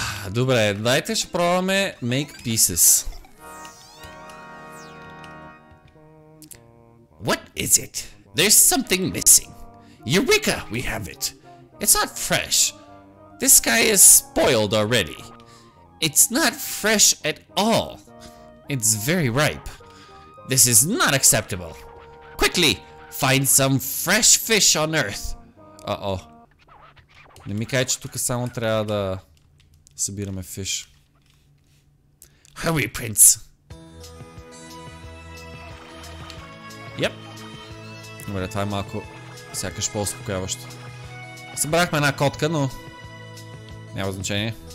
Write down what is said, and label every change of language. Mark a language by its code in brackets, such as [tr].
[bg] Добре, дайте ще пробваме Make Pieces. [en] What is it? There's something missing. Eureka, we have it. It's not fresh. This guy is spoiled already. It's not fresh at all. It's very ripe. This is not acceptable. Quickly, find some fresh fish on Earth. Uh-oh. [bg] Не ми кажа, че тук само трябва да събираме фиш. [en] Hurry, Prince. Yep. [bg] Добре, това е малко сякаш по-успокояващо. Събрахме една котка, но няма значение.